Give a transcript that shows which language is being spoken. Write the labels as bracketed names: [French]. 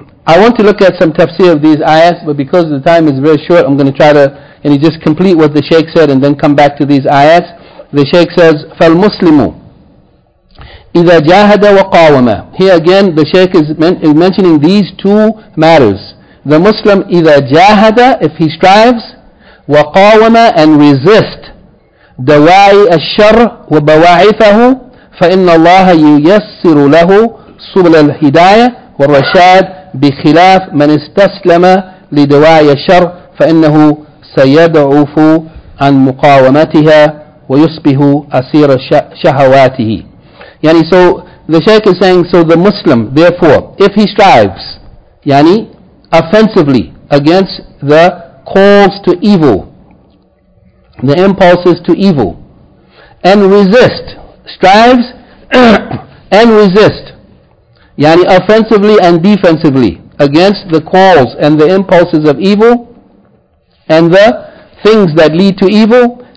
[English] I want to look at some tafsir of these ayahs, but because the time is very short, I'm going to try to just complete what the Shaykh said and then come back to these ayahs. The Shaykh says, [Arabic] فَالْمُسْلِمُ إِذَا جَاهَدَ وَقَاوَمَ. [English] Here again, the Shaykh is mentioning these two matters. The Muslim, [Arabic] إِذَا جَاهَدَ, [English] if he strives, [Arabic] وَقَاوَمَ, [English] and resist, [Arabic] دَوَاعِ الشَّرِّ وَبَوَاعِثَهُ فَإِنَّ اللَّهَ يُيَسِّرُ لَهُ سُبْلَ الْهِدَايَةِ وَالرَّشَادِ بخلاف من استسلم لدواعي الشر فإنه سيضعف عن مقاومتها ويصبح أسير شهواته. [English] يعني so the Shaykh is saying, so the Muslim therefore, if he strives يعني offensively against the calls to evil, the impulses to evil, and resist, strives and resist يعني offensively and defensively against the calls and the impulses of evil and the things that lead to evil,